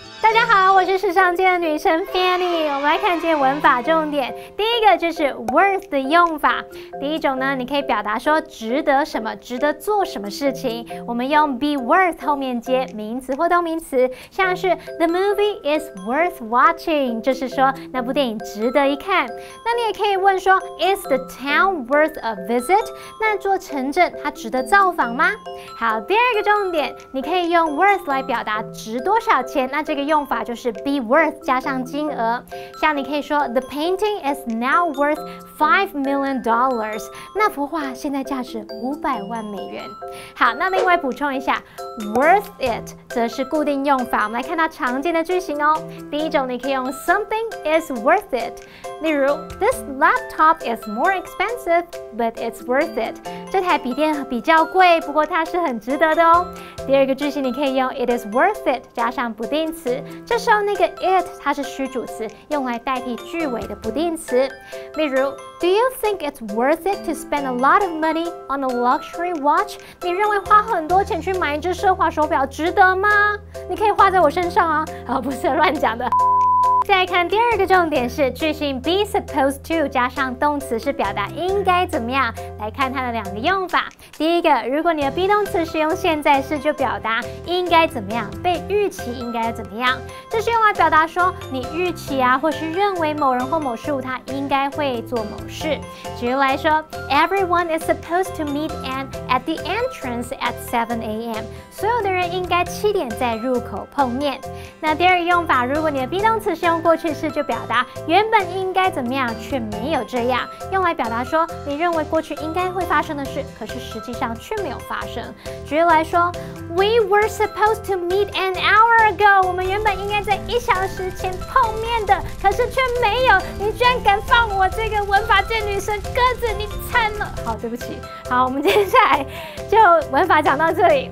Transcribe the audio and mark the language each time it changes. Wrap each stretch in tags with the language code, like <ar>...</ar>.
<zh>大家好，我是时尚界的女神 Fanny。我们来看这文法重点，第一个就是 worth 的用法。第一种呢，你可以表达说值得什么，值得做什么事情。我们用 be worth 后面接名词或动名词，像是</zh> <en>the movie is worth watching，</en> <zh>就是说那部电影值得一看。那你也可以问说</zh> <en>is theTown worth a visit?</en> <zh>那座城镇它值得造访吗？好，第二个重点，你可以用 worth 来表达值多少钱。那这个用法就是 be worth 加上金额。像你可以说</zh> <en>the painting is now worth $5 million，</en> <zh>那幅画现在价值500万美元。好，那另外补充一下 ，worth it 则是固定用法。我们来看到常见的句型哦。第一种，你可以用</zh> <en>something is worth it，</en> <zh>例如</zh> <en>this laptop is more expensive but it's worth it，</en> <zh>这台笔电比较贵，不过它是很值得的哦。第二个句型你可以用 it is worth it 加上不定词，这时候那个 it 它是虚主词，用来代替句尾的不定词。</zh> <en>例如 Do you think it's worth it to spend a lot of money on a luxury watch？</en> <zh>你认为花很多钱去买一只奢华手表值得吗？你可以花在我身上啊！不是乱讲的。再来看第二个重点是句型 be supposed to 加上动词是表达应该怎么样。来看它的两个用法。第一个，如果你的 be 动词使用现在式，就表达应该怎么样，被预期应该怎么样。这是用来表达说你预期啊，或是认为某人或某事物他应该会做某事。举例来说</zh> <en>，Everyone is supposed to meet Anne at the entrance at 7 a.m.</en> <zh>所有的人应该七点在入口碰面。那第二个用法，如果你的 be 动词使用过去式，就表达原本应该怎么样，却没有这样，用来表达说你认为过去应该会发生的事，可是实际上却没有发生。</zh> <en>举例来说 ，We were supposed to meet an hour ago.</en> <zh>我们原本应该在一小时前碰面的，可是却没有。你居然敢放我这个文法界女神鸽子，你惨了。好，对不起。好，我们接下来就文法讲到这里。</zh>